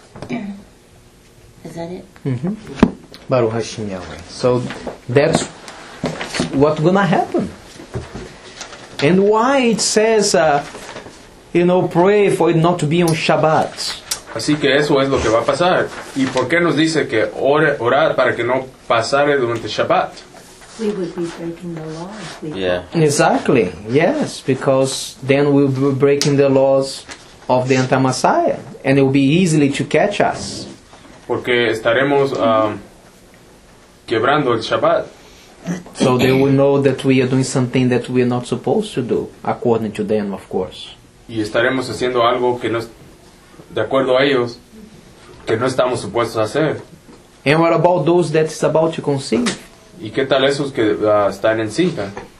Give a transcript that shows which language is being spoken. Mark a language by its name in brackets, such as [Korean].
[English] Is that it? Mm-hmm. [Hebrew] Baruch Hashem Yahweh. [English] So that's what's going to happen. And why it says, you know, pray for it not to be on Shabbat. [Spanish] Así que eso es lo que va a pasar. ¿Y por qué nos dice que orar para que no pasare durante Shabbat? [English] We would be breaking the law. Yeah. Exactly. Yes, because then we'll be breaking the laws of the anti-Messiah. And it will be easily to catch us. [Spanish] Porque estaremos quebrando el Shabbat. [English] So they will know that we are doing something that we are not supposed to do, according to them, of course. [Spanish] Y estaremos haciendo algo que no, de acuerdo a ellos, que no estamos supuestos a hacer. [English] And what about those that is about to conceive? [Spanish] ¿Y qué tal esos que están en cita?